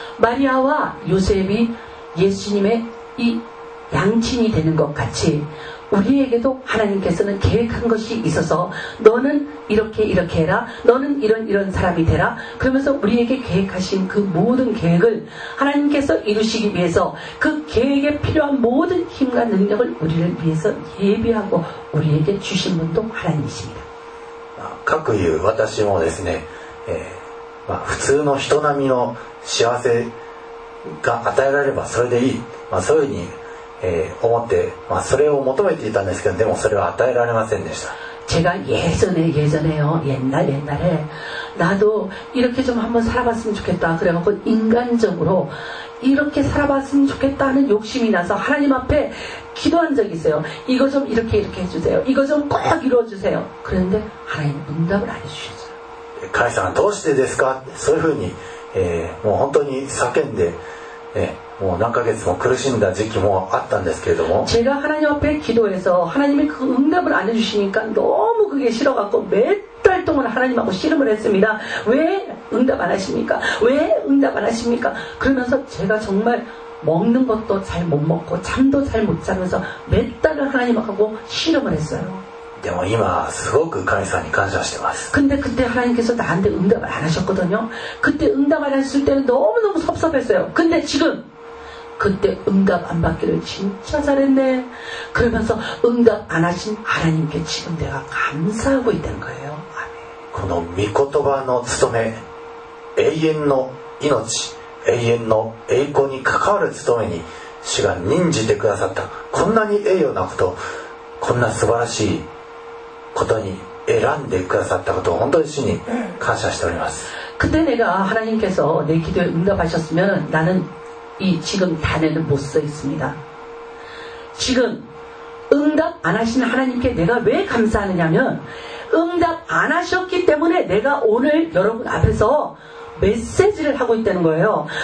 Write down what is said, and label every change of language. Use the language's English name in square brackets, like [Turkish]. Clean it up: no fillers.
[Korean] 마리아와요셉이예수님의이양친이되는것같이우리에게도하나님께서는계획한것이있어서너는이렇게이렇게해라너는이런이런사람이되라그러면서우리에게계획하신그모든계획을하나님께서이루시기위해서그계획에필요한모든힘과능력을우리를위해서예비하고우리에게주신분도하나님이십니다 [Japanese] 各言う私もですね、まあ、普通の人並みの幸せが与えられればそれでいい、まあ、そういうふうに思って、まあ、それを求めていたんですけどでもそれは与えられませんでした。 [Korean] 제가 예전에 예전에요 옛날 옛날에 나도 이렇게 좀 한번 살아봤으면 좋겠다 그래갖고 인간적으로 이렇게 살아봤으면 좋겠다 하는 욕심이 나서 하나님 앞에 기도한 적이 있어요. 이거 좀 이렇게 이렇게 해주세요. 이거 좀 꼭 이루어주세요. 그런데 하나님 응답을 안 해주셨어요. 가이사는 [Japanese] どうしてですか?そういうふうに本当に叫んで 何ヶ月も苦しんだ時期もあったんですけれども [Korean] 제가 하나님 앞에 기도해서 하나님이 그 응답을 안 해주시니까 너무 그게 싫어갖고 몇달 동안 하나님하고 씨름을 했습니다. 왜 응답 안 하십니까? 왜 응답 안 하십니까? 그러면서 제가 정말 먹는 것도 잘 못 먹고 잠도 잘 못 자면서 몇 달을 하나님하고 씨름을 했어요. [Japanese] 今すごく神様に感謝してます [Korean] 근데 그때 하나님께서 나한테 응답을 안 하셨거든요. 그때 응답 안 했을 때는 너무너무 섭섭했어요. 근데 지금 그때 응답 안 받기를 진짜 잘했네. 그러면서 응답 안 하신 하나님께 지금 내가 감사하고 있다는 거예요. 아멘. [Japanese] この御言葉の務め永遠の命永遠の栄光に関わる務めに主が任じてくださったこんなに栄誉なことこんな素晴らしい ことに選んでくださったことを本当に主に感謝しております。 [Korean] 그때 내가 하나님께서 내 기도에 응답하셨으면 나는 이 지금 단에는 못 써 있습니다. 지금 응답 안 하신 하나님께 내가 왜 감사하느냐면 응답 안 하셨기 때문에 내가 오늘 여러분 앞에서 메시지를 하고 있다는 거예요.